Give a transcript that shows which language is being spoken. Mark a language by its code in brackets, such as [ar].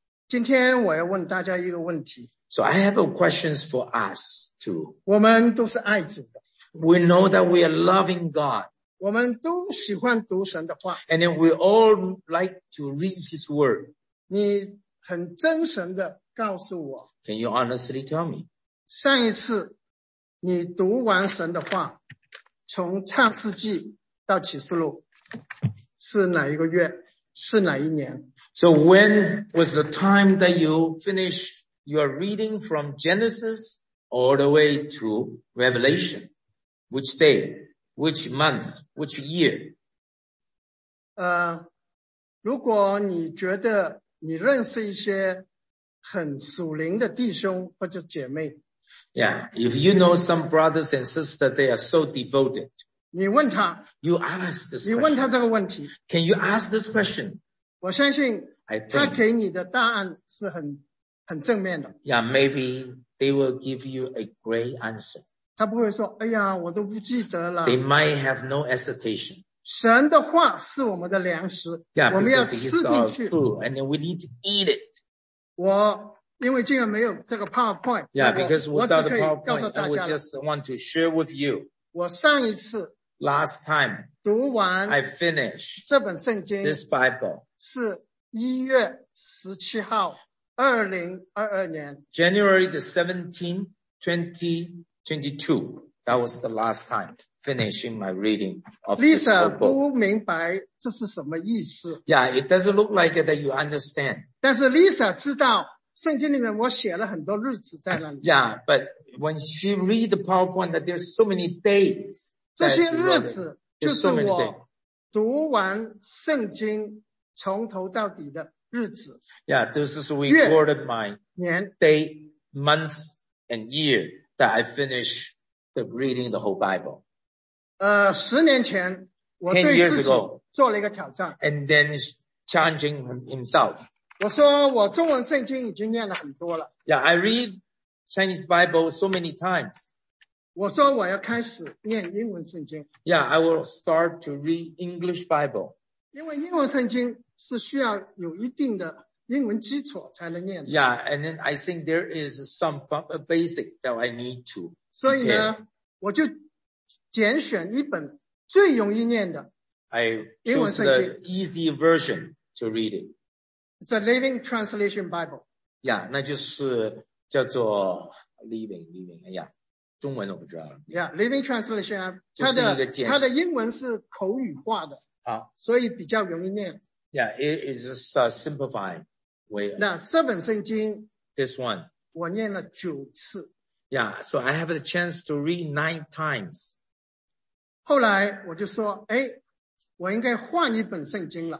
[zh] 今天我要问大家一个问题。 [en] So I have a questions for us too. [zh] 我们都是爱主的。 [en] We know that we are loving God. [zh] 我们都喜欢读神的话。 [en] And then we all like to read his word. [zh] 你很真诚地告诉我。 [en] Can you honestly tell me? [zh] 上一次你读完神的话，从创世纪到启示录，是哪一个月？是哪一年？ [en] So when was the time that you finished your reading from Genesis all the way to Revelation? Which day? Which month? Which year? [zh] 如果你觉得你认识一些很属灵的弟兄或者姐妹， [en] Yeah, if you know some brothers and sisters, they are so devoted. [zh] 你问他， [en] You ask this question. [zh] 你问他这个问题。 [en] Can you ask this question? [zh] 我相信他给你的答案是很正面的。 [en] Yeah, maybe they will give you a great answer. [zh] 他不会说，哎呀，我都不记得了。 [en] They might have no hesitation. [zh] 神的话是我们的粮食。 Yeah, 我们要吃进去。 [en] Because it's our food, and then we need to eat it. [zh] 我因为竟然没有这个 PowerPoint. [en] Yeah, because without the PowerPoint, I would just want to share with you. [zh] 我上一次。 [en] Last time. [zh] 读完。 [en] I finished. [zh] 这本圣经。 [en] This Bible. [zh] 是1月17号。2022年 [en] January the 17th, 2022. That was the last time finishing my reading of this book. [zh] Lisa 不明白这是什么意思。 [en] Yeah, it doesn't look like that you understand. [zh] 但是 Lisa 知道圣经里面我写了很多日子在那里。 [en] Yeah, but when she read the PowerPoint that there's so many days [zh] 这些日子就是我读完圣经从头到底的日子。 [en] Yeah, this is recorded my day, month, and year that I finish the reading the whole Bible. [zh] 十年前我对自己做了一个挑战。 [en] And then challenging himself. [zh] 我说我中文圣经已经念了很多了。 [en] Yeah, I read Chinese Bible so many times. [zh] 我说我要开始念英文圣经。 [en] Yeah, I will start to read English Bible. [zh] 因为英文圣经是需要有一定的英文基础才能念的。 [en] Yeah, and then I think there is some basic that I need to. [zh] 所以呢我就拣选一本最容易念的。 [en] I choose the easy version to read it. It's a Living Translation Bible. [zh] Yeah, 那就是叫做 Living, 哎呀中文我不知道了。 Yeah, Living Translation, 它的英文是口语化的。好。所以比较容易念。 [en] Yeah, it is just a simplifying way. [zh] 那这本圣经。 [en] This one. [zh] 我念了9次。 [en] Yeah, so I have the chance to read 9 times. [zh] 后来我就说哎我应该换一本圣经了。